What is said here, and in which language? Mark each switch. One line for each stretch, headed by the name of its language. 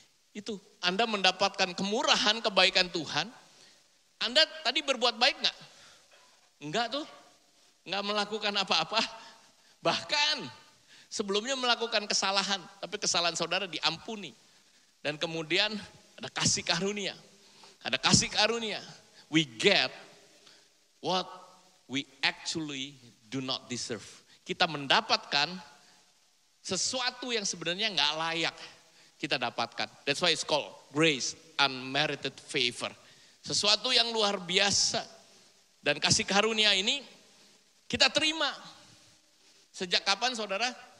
Indonesian: Itu Anda mendapatkan kemurahan, kebaikan Tuhan. Anda tadi berbuat baik gak? Enggak tuh. Enggak melakukan apa-apa. Bahkan sebelumnya melakukan kesalahan. Tapi kesalahan saudara diampuni. Dan kemudian ada kasih karunia. Ada kasih karunia.
English: We get what we actually do not deserve.
Indonesian: Kita mendapatkan sesuatu yang sebenarnya gak layak kita dapatkan.
English: That's why it's called grace, unmerited favor.
Indonesian: Sesuatu yang luar biasa. Dan kasih karunia ini kita terima. Sejak kapan saudara?